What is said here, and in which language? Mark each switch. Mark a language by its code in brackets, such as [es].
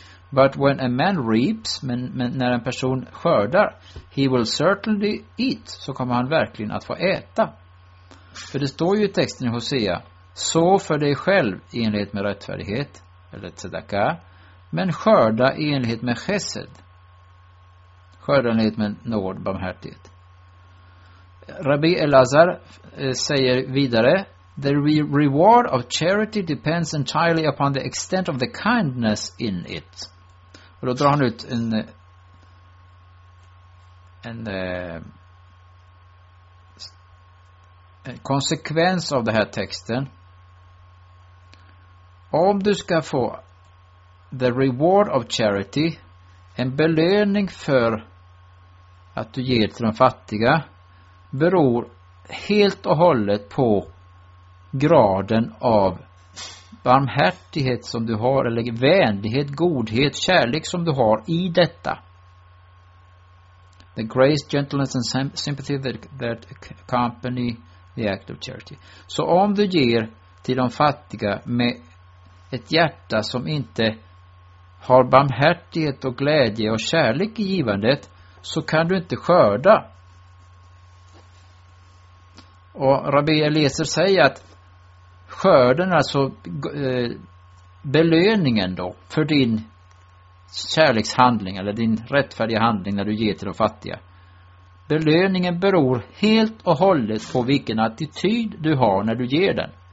[en] But when a man reaps, [sv] men när en person skördar, [en] he will certainly eat, [sv] så kommer han verkligen att få äta. För det står ju i texten i Hosea, så för dig själv i enlighet med rättfärdighet, eller tzedaka, men skörda i enlighet med chesed. Skörda i enlighet med nåd, barmhärtighet. [en] Rabbi Elazar [sv] säger vidare, [en] the reward of charity depends entirely upon the extent of the kindness in it. [sv] Och då drar han ut en konsekvens av den här texten. Om du ska få [en] the reward of charity, [sv] en belöning för att du ger till de fattiga, beror helt och hållet på graden av barmhärtighet som du har, eller vänlighet, godhet, kärlek som du har i detta. [en] The grace, gentleness and sympathy that accompany the act of charity. [sv] Så om du ger till de fattiga med ett hjärta som inte har barmhärtighet och glädje och kärlek i givandet, så kan du inte skörda. Och Rabbi Eliezer säger att skörden, alltså belöningen då för din kärlekshandling eller din rättfärdiga handling när du ger till de fattiga, belöningen beror helt och hållet på vilken attityd du har när du ger den.